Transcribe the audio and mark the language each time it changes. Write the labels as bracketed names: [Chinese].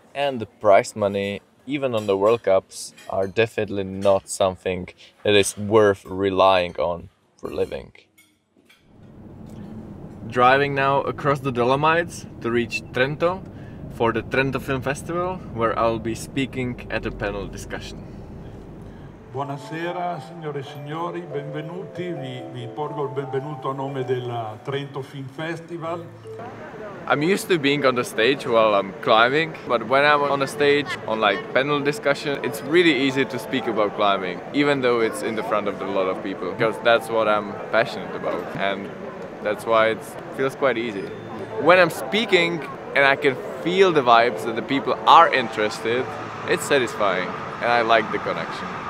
[English] And the prize money, even on the World Cups, are definitely not something that is worth relying on for living. Driving now across the Dolomites to reach Trento for the Trento Film Festival, where I'll be speaking at a panel discussion. [Italian] Buonasera, signore e signori, benvenuti. Vi porgo il benvenuto a nome del Trento Film Festival. [English] I'm used to being on the stage while I'm climbing, but when I'm on the stage on like panel discussion, it's really easy to speak about climbing, even though it's in the front of a lot of people, because that's what I'm passionate about, and that's why it feels quite easy. When I'm speaking and I can feel the vibes that the people are interested, it's satisfying, and I like the connection.